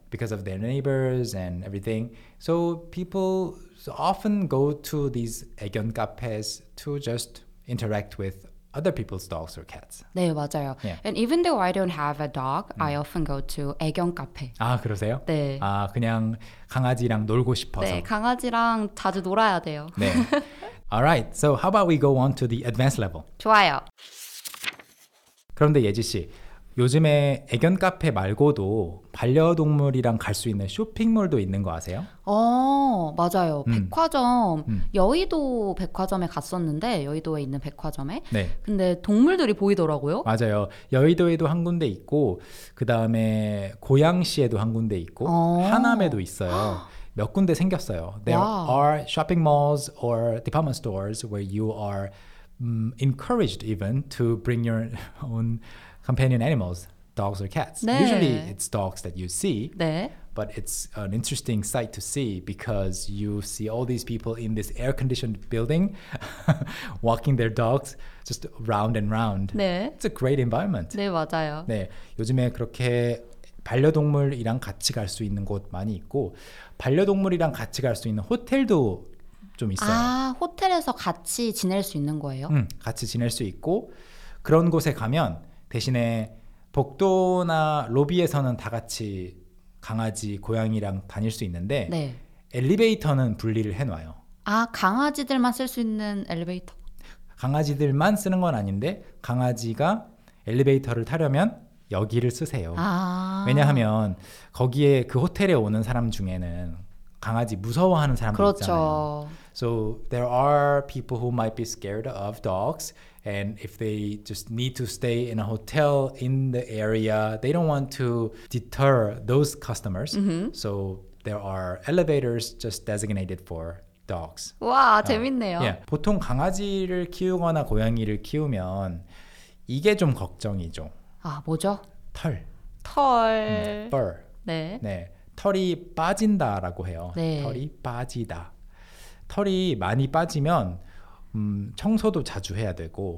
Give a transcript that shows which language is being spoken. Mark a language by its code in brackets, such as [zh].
[en] Because of their neighbors and everything. So people often go to these 애견 cafes to just interact with other people's dogs or cats. [ko] 네, 맞아요. [en] Yeah. And even though I don't have a dog, I often go to 애견 카페. [ko] 아, 그러세요? 네. 아, 그냥 강아지랑 놀고 싶어서. 네, 강아지랑 자주 놀아야 돼요. 네. [en] Alright, so how about we go on to the advanced level? [ko] 좋아요. 그런데 예지 씨, 요즘에 애견 카페 말고도 반려동물이랑 갈 수 있는 쇼핑몰도 있는 거 아세요? 어, 맞아요. 백화점. 여의도 백화점에 갔었는데, 여의도에 있는 백화점에. 네. 근데 동물들이 보이더라고요. 맞아요. 여의도에도 한 군데 있고, 그 다음에 고양시에도 한 군데 있고, 하남에도 있어요. 몇 군데 생겼어요. [en] There [ko] 와. [en] are shopping malls or department stores where you are encouraged even to bring your own companion animals, dogs or cats. [ko] 네. [en] Usually it's dogs that you see, [ko] 네. [en] but it's an interesting sight to see because you see all these people in this air-conditioned building walking their dogs just round and round. [ko] 네. [en] It's a great environment. [ko] 네, 맞아요. 네, 요즘에 그렇게 반려동물이랑 같이 갈 수 있는 곳 많이 있고 반려동물이랑 같이 갈 수 있는 호텔도 좀 있어요. 아, 호텔에서 같이 지낼 수 있는 거예요? 응, 같이 지낼 수 있고 그런 곳에 가면 대신에 복도나 로비에서는 다 같이 강아지, 고양이랑 다닐 수 있는데 네. 엘리베이터는 분리를 해놔요. 아, 강아지들만 쓸 수 있는 엘리베이터? 강아지들만 쓰는 건 아닌데 강아지가 엘리베이터를 타려면 여기를 쓰세요. 아. 왜냐하면 거기에 그 호텔에 오는 사람 중에는 강아지 무서워하는 사람도 그렇죠. 있잖아요. [en] So there are people who might be scared of dogs. And if they just need to stay in a hotel in the area, they don't want to deter those customers. Mm-hmm. So there are elevators just designated for dogs. [ko] 와, 재밌네요. [en] Yeah. [ko] 보통 강아지를 키우거나 고양이를 키우면 이게 좀 걱정이죠. 아, 뭐죠? 털. 털. [en] Fur. [ko] 네. 네. 털이 빠진다라고 해요. 네. 털이 빠지다. 털이 많이 빠지면 청소도 자주 해야 되고